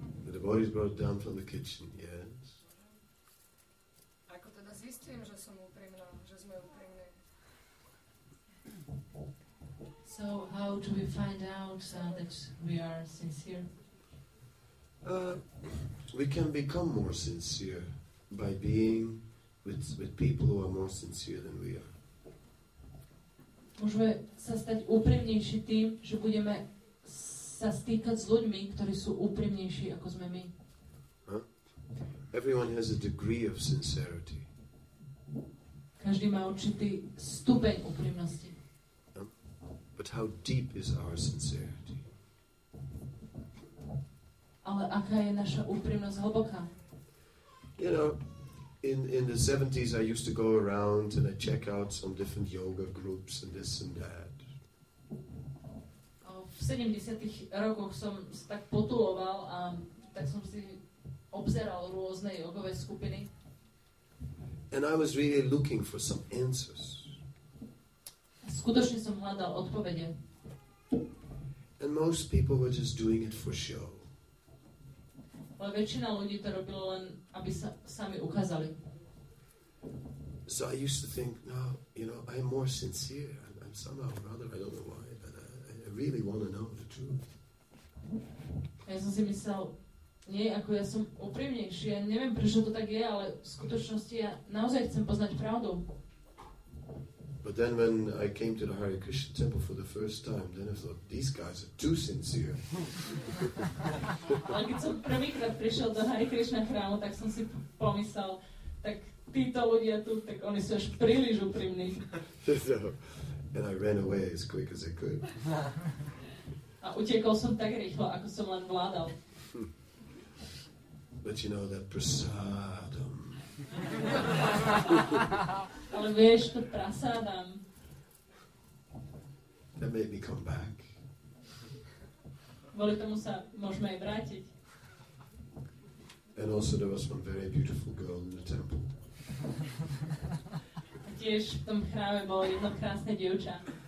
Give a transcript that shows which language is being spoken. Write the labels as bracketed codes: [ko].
[en] The body's brought down from the kitchen, yes. [sk] Ako teda zistím, že som úprimná, že sme úprimní. [en] So how do we find out that we are sincere? We can become more sincere by being with people who are more sincere than we are. [sk] Môžeme sa stať úprimnejší tým, že budeme sa stýkať s ľuďmi, ktorí sú úprimnejší ako sme my. Huh? [en] Everyone has a degree of sincerity. [sk] Každý má určitý stupeň úprimnosti. [en] But how deep is our sincerity? [sk] Ale aká je naša úprimnosť hlboká? [en] You know, in the 70s I used to go around and I check out some different yoga groups and this and that. [sk] V 70-tych rokoch som tak potuloval a tak som si obzeral rôzne jogové skupiny. [en] And I was really looking for some answers. [sk] Skutočne som hľadal odpovede. [en] And most people were just doing it for show. [sk] Ale väčšina ľudí to robilo len, aby sa sami ukázali. [en] So I used to think, no, you know, I'm more sincere. I'm somehow rather, I don't know why, but I really want to know the truth. [sk] Ja som si myslel, nie, ako ja som úprimnejší. Ja neviem, prečo to tak je, ale v skutočnosti ja naozaj chcem poznať pravdu. [en] But then when I came to the Hare Krishna temple for the first time, then I thought, these guys are too sincere. [sk] Ale keď som prvýkrát prišiel do Hare Krishna chrámu, tak som si pomyslel, tak títo ľudia tu, tak oni sú až príliš úprimní. [en] And I ran away as quick as I could. [sk] A utiekol som tak rýchlo, ako som len vládal. [en] But you know that prasadam. [sk] Ale vieš, to prasádam. [en] That made me come back. [sk] Kvôli tomu sa môžeme aj vrátiť. [en] And also there was one very beautiful girl in the temple. [sk] A tiež v tom chráme bolo jedno krásne dievča.